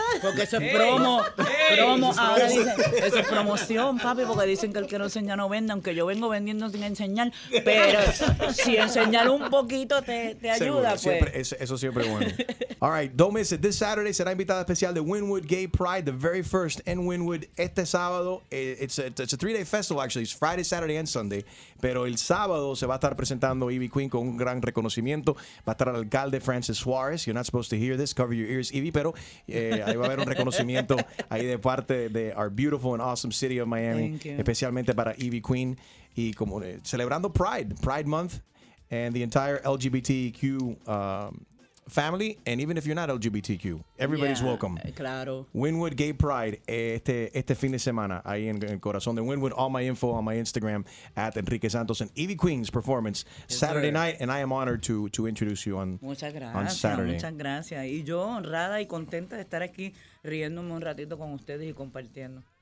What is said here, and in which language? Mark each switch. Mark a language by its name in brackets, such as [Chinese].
[Spanish] Porque eso es promo. Promo. Ahora dicen, eso es promoción, papi, porque dicen que el que no enseña no vende, aunque yo vengo vendiendo sin enseñar. Pero si enseñar un poquito te ayuda, pues. Siempre, eso siempre es bueno. [English] All right, don't miss it. This Saturday [Spanish] será invitada especial de [English] Wynwood Gay Pride, the very first in Wynwood. [Spanish] Este sábado, [English] it's a three-day festival, actually. It's Friday, Saturday, and Sunday. [Spanish] Pero el sábado se va a estar presentando Ivy Queen con un gran reconocimiento. Va a estar el alcalde Francis Suarez. [English] You're not supposed to hear this. Cover your ears, Ivy. [Spanish] Pero ahí va a haber un reconocimiento ahí de parte de [English] our beautiful and awesome city of Miami. Thank you. [Spanish] Especialmente para Ivy Queen. Y como celebrando [English] Pride Month, and the entire LGBTQ family, and even if you're not LGBTQ, everybody's yeah, welcome. [Spanish] Claro. Wynwood Gay Pride, este fin de semana, ahí en el corazón de Wynwood. [English] All my info on my Instagram at Enrique Santos, and Ivy Queen's performance yes, Saturday sir. Night, and I am honored to introduce you on [Spanish] Saturday. Muchas gracias. Muchas gracias. Y yo honrada y contenta de estar aquí riéndome un ratito con ustedes y compartiendo.